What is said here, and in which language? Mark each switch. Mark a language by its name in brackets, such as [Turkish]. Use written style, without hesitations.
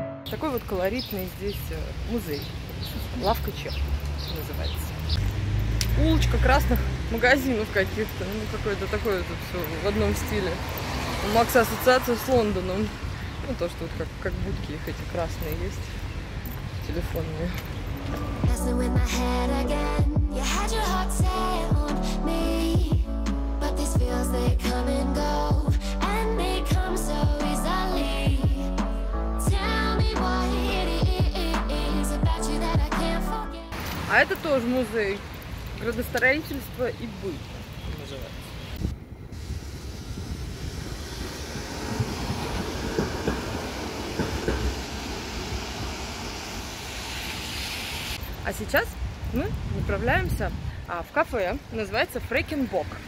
[Russian] Такой вот колоритный здесь музей. Лавка Чеп называется. Улочка красных магазинов каких-то. Ну, какое-то такое тут все в одном стиле. У Макса ассоциация с Лондоном. Ну, то, что тут вот как будки их эти красные есть. Телефонные. [English] Messing with my head again. You had your heart set on me, but these feels they come and go, and they come so easily. Tell me what it is about you that I can't forget. [Russian] А это тоже музей градостроительства и быт. А сейчас мы направляемся в кафе, называется Фрекен Бок.